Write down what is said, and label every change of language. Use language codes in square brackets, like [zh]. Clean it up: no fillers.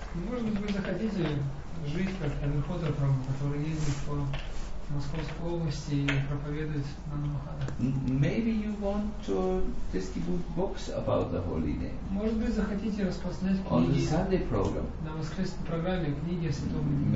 [ru] Может быть, вы захотите жить как Abhyavotra, который ездит по Московской области и проповедует на Намахаре. [en] Maybe you want to distribute books about the holy name. [ru] Может быть, захотите распространять книги. [en] On the Sunday program. [ru] На воскресной программе книги о святом имени.